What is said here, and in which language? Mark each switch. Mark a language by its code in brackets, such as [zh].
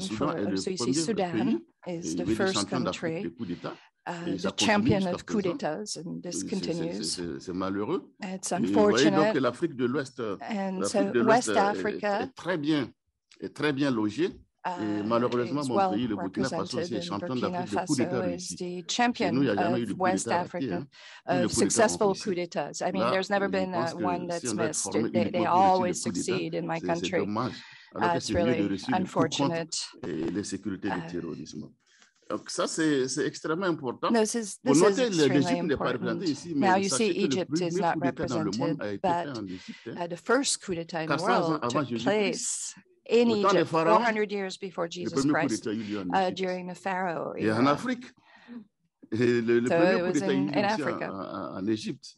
[en] So you see, Sudan is the first country, the champion of coup d'états, and this continues. [fr] C'est malheureux. [en] It's unfortunate. [fr] Et voyez, donc, l'Afrique de l'Ouest, [en] and [fr] l'Afrique so de West l'Ouest Africa est très bien logé. Et malheureusement, mon pays, le Burkina Faso, c'est champion d'Afrique de coup d'état réussi. [en] The champion of West Africa of successful coup d'états. I mean, there's never been one that's missed. They always succeed in my country. It's really unfortunate. [fr] Et les sécurités du terrorisme. Donc ça, c'est extrêmement important. [en] This is extremely important. Now you see Egypt is not represented, but the first coup d'état in the world took place in Egypt, 400 years before Jesus Christ, during the Pharaoh era. [fr] Et en Afrique, [en] So it was in Africa, in Egypt.